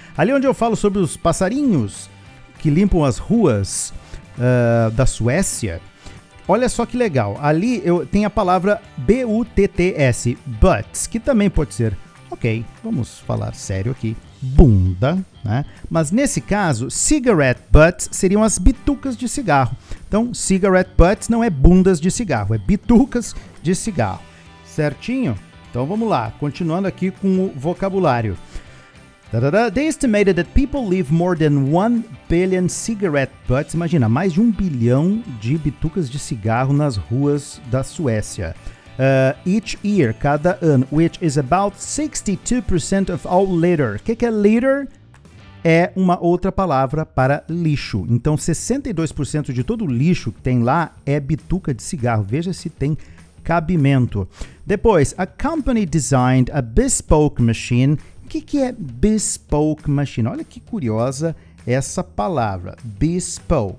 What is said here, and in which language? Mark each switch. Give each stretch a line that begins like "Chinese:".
Portuguese: Ali onde eu falo sobre os passarinhos que limpam as ruas da Suécia, olha só que legal, ali tem a palavra BUTTS, buts, que também pode ser, ok, vamos falar sério aqui, bunda, né? Mas nesse caso, cigarette butts seriam as bitucas de cigarro. Então, cigarette butts não é bundas de cigarro, é bitucas de cigarro. Certinho? Então vamos lá, continuando aqui com o vocabulário.
English: They estimated that people leave more than 1 billion cigarette butts.
Portuguese: Imagina, mais de 1 bilhão de bitucas de cigarro nas ruas da Suécia.
English: Each year,
Portuguese: cada ano,
English: which is about 62% of all litter.
Portuguese: O que, que é litter? É uma outra palavra para lixo. Então, 62% de todo o lixo que tem lá é bituca de cigarro. Veja se tem cabimento. Depois,
English: a company designed a bespoke machine.
Portuguese: O que, que é bespoke machine? Olha que curiosa essa palavra, bespoke.